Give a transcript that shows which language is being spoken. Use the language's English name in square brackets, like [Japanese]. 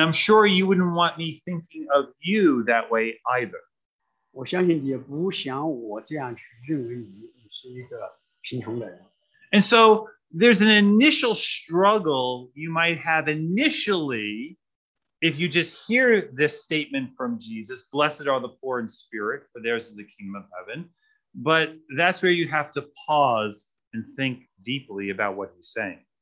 [English] I'm sure you wouldn't want me thinking of you that way either. [Chinese] 我相信你也不想我这样去认为你是一个贫穷的人。 [English] And so there's an initial struggle you might have initially. If you just hear this statement from Jesus, blessed are the poor in spirit, for theirs is the kingdom of heaven. But that's where you have to pause and think deeply about what he's saying.